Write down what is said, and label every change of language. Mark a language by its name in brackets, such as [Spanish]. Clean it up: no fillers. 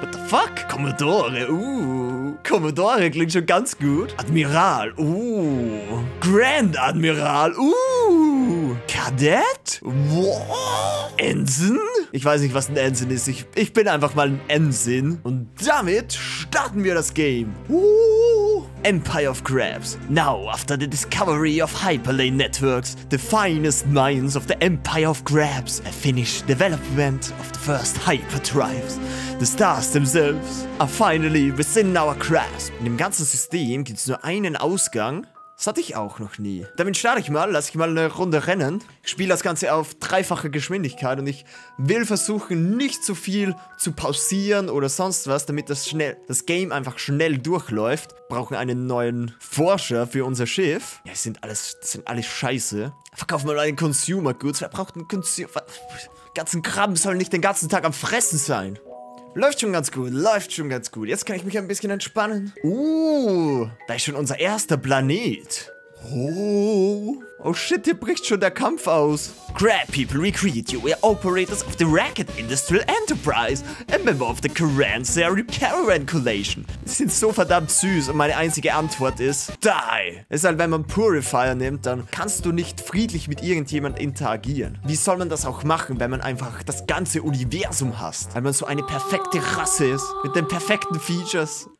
[English] What the fuck? [German] Commodore, Commodore klingt schon ganz gut. Admiral, Grand Admiral, Kadett? [English] Wow. Ensign? [German] Ich weiß nicht, was ein Ensign ist. Ich bin einfach mal ein Ensign. Und damit starten wir das Game. Empire of Crabs. [English] Now, after the discovery of Hyperlane Networks, the finest minds of the Empire of Crabs have finished development of the first Hyper Tribes. The stars themselves are finally within our grasp. [German] In dem ganzen System gibt es nur einen Ausgang. Das hatte ich auch noch nie. Damit starte ich mal, lasse ich mal eine Runde rennen. Ich spiele das Ganze auf dreifache Geschwindigkeit und ich will versuchen, nicht zu viel zu pausieren oder sonst was, damit das Game einfach schnell durchläuft. Wir brauchen einen neuen Forscher für unser Schiff. Ja, das sind alles scheiße. Verkaufen wir mal einen Consumer Goods. Wer braucht einen Consumer? Ganzen Krabben sollen nicht den ganzen Tag am Fressen sein. Läuft schon ganz gut, läuft schon ganz gut. Jetzt kann ich mich ein bisschen entspannen. Da ist schon unser erster Planet. [English] Oh shit, [German] hier bricht schon der Kampf aus. [English] Crab People recruit you. We are operators of the Racket Industrial Enterprise. A member of the Caranseri Caravan Collation. [German] Die sind so verdammt süß und meine einzige Antwort ist, die. Es ist halt, wenn man Purifier nimmt, dann kannst du nicht friedlich mit irgendjemand interagieren. Wie soll man das auch machen, wenn man einfach das ganze Universum hasst? Weil man so eine perfekte Rasse ist, mit den perfekten Features.